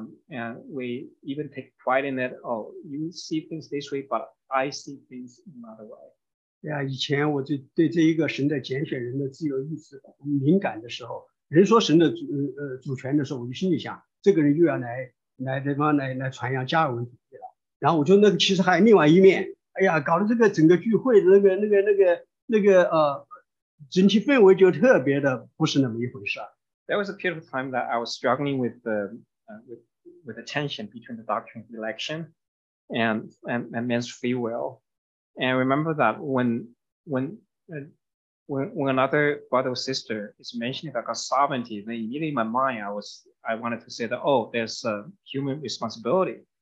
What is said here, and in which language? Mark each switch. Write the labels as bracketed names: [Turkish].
[English] And we even take pride in it. Oh, you see things this way, but I see things another way. Yeah, [Chinese] 以前我就对这一个神的拣选人的自由意志敏感的时候, 人说神的主权的时候, 我就心里想, 这个人又要来, 来传扬加尔文主义了, 然后我就那个其实还另外一面, 哎呀, 搞得这个整个聚会的那个, 整体氛围就特别的不是那么一回事。 [English] There was a period of time that I was struggling with the tension between the doctrine of election and man's free will. And I remember that when another brother or sister is mentioning about God's sovereignty, then immediately in my mind, I wanted to say that, oh, there's a human responsibility.